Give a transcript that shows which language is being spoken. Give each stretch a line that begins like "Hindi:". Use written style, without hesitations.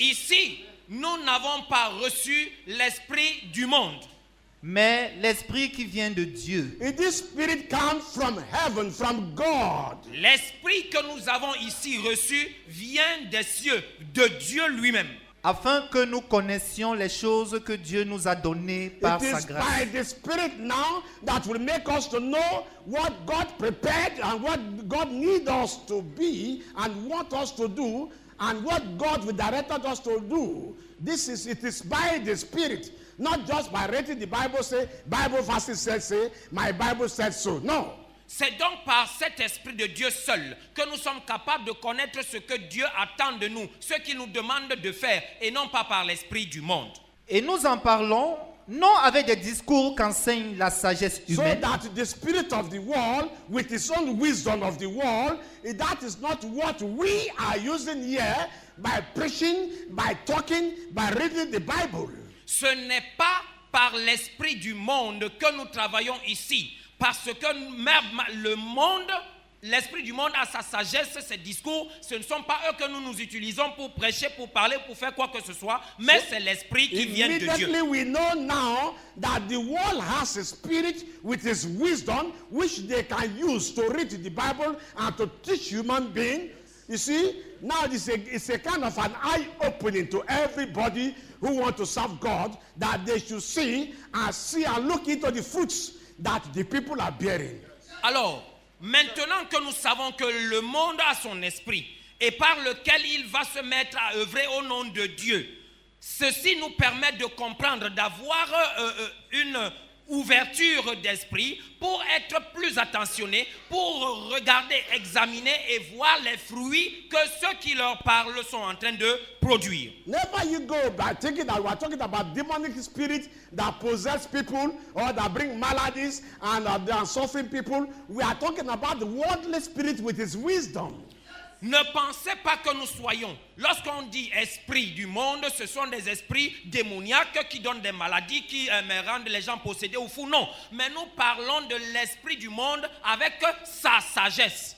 French: Ici, nous n'avons pas reçu l'esprit du monde. Mais l'esprit qui vient de Dieu.
English: And this spirit comes from heaven, from God.
French: L'esprit que nous avons ici reçu vient des cieux, de Dieu lui-même. Afin que nous connaissions les choses que Dieu nous a données par sa grâce.
English: It is by the spirit now that will make us to know what God prepared and what God needs us to be and want us to do and what God will direct us to do. It is by the spirit. Not just by reading the Bible, say, Bible verses say, my Bible said so. No.
French: C'est donc par cet esprit de Dieu seul que nous sommes capables de connaître ce que Dieu attend de nous, ce qu'il nous demande de faire, et non pas par l'esprit du monde. Et nous en parlons, non avec des discours qu'enseigne la sagesse humaine.
English: So that the spirit of the world, with its own wisdom of the world, that is not what we are using here by preaching, by talking, by reading the Bible.
French: Ce n'est pas par l'esprit du monde que nous travaillons ici, parce que même le monde, l'esprit du monde a sa sagesse, ses discours. Ce ne sont pas eux que nous nous utilisons pour prêcher, pour parler, pour faire quoi que ce soit. Mais so c'est l'esprit qui vient de Dieu.
English: Immediately we know now that the world has a spirit with its wisdom, which they can use to read the Bible and to teach human beings. You see, now it's a kind of an eye opening to everybody who want to serve God that they should see and look into the fruits that the people are bearing.
French: Alors, maintenant que nous savons que le monde a son esprit et par lequel il va se mettre à œuvrer au nom de Dieu, ceci nous permet de comprendre, d'avoir une ouverture d'esprit pour être plus attentionné, pour regarder, examiner et voir les fruits que ceux qui leur parlent sont en train de produire.
English: Never you go by thinking that we're talking about demonic spirit that possess people or that bring maladies and they are suffering people. We are talking about the worldly spirit with his wisdom.
French: Ne pensez pas que nous soyons, lorsqu'on dit esprit du monde, ce sont des esprits démoniaques qui donnent des maladies, qui rendent les gens possédés ou fous. Non, mais nous parlons de l'esprit du monde avec sa sagesse.